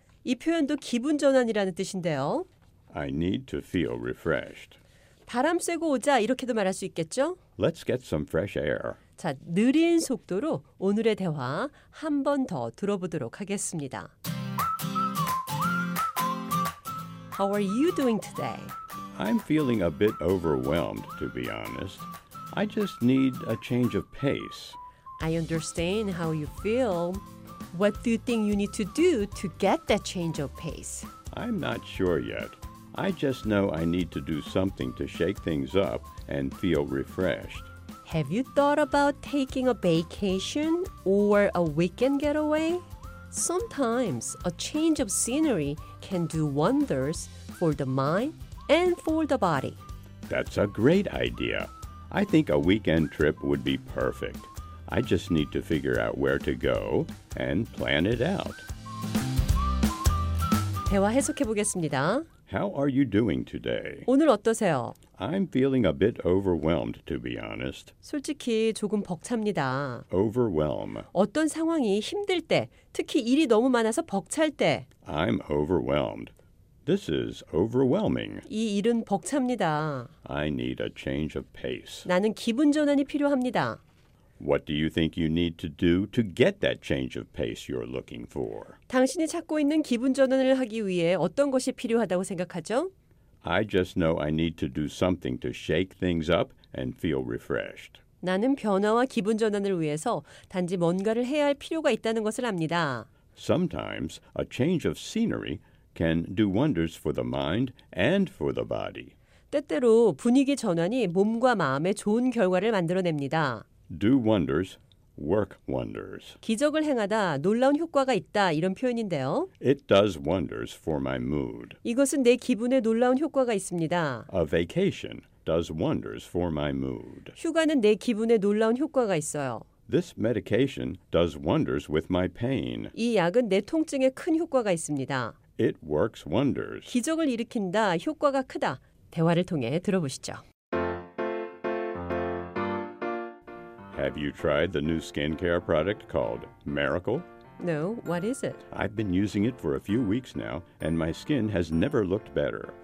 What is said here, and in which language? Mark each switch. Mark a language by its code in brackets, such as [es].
[ko] 이 표현도 기분 전환이라는 뜻인데요. [en] I need to feel refreshed. [ko] 바람 쐬고 오자 이렇게도 말할 수 있겠죠? [en] Let's get some fresh air. [ko] 자, 느린 속도로 오늘의 대화 한 번 더 들어보도록 하겠습니다. [en] How are you doing today? I'm feeling a bit overwhelmed, to be honest. I just need a change of pace. I understand how you feel. What do you think you need to do to get that change of pace? I'm not sure yet. I just know I need to do something to shake things up and feel refreshed. Have you thought about taking a vacation or a weekend getaway? Sometimes a change of scenery can do wonders for the mind and for the body. That's a great idea. I think a weekend trip would be perfect. I just need to figure out where to go and plan it out. [ko] 대화 해석해 보겠습니다. [en] How are you doing today? [ko] 오늘 어떠세요? [en] I'm feeling a bit overwhelmed, to be honest. [ko] 솔직히 조금 벅찹니다. [en] Overwhelm. [ko] 어떤 상황이 힘들 때, 특히 일이 너무 많아서 벅찰 때. [en] I'm overwhelmed. This is overwhelming. [ko] 이 일은 벅찹니다. [en] I need a change of pace. [ko] 나는 기분 전환이 필요합니다. [en] What do you think you need to do to get that change of pace you're looking for? [ko] 당신이 찾고 있는 기분 전환을 하기 위해 어떤 것이 필요하다고 생각하죠? [en] I just know I need to do something to shake things up and feel refreshed. [ko] 나는 변화와 기분 전환을 위해서 단지 뭔가를 해야 할 필요가 있다는 것을 압니다. [en] Sometimes a change of scenery can do wonders for the mind and for the body. [ko] 때때로 분위기 전환이 몸과 마음에 좋은 결과를 만들어냅니다. [en] Do wonders, work wonders. [ko] 기적을 행하다, 놀라운 효과가 있다, 이런 표현인데요. [en] It does wonders for my mood. [ko] 이것은 내 기분에 놀라운 효과가 있습니다. [en] A vacation does wonders for my mood. [ko] 휴가는 내 기분에 놀라운 효과가 있어요. [en] This medication does wonders with my pain. [ko] 이 약은 내 통증에 큰 효과가 있습니다. [en] It works wonders. [ko] 기적을 일으킨다. 효과가 크다. 대화를 통해 들어보시죠. [en] Have you tried the new skincare product called Miracle? No, what is it? I've been using it for a few weeks now, and my skin has never looked better.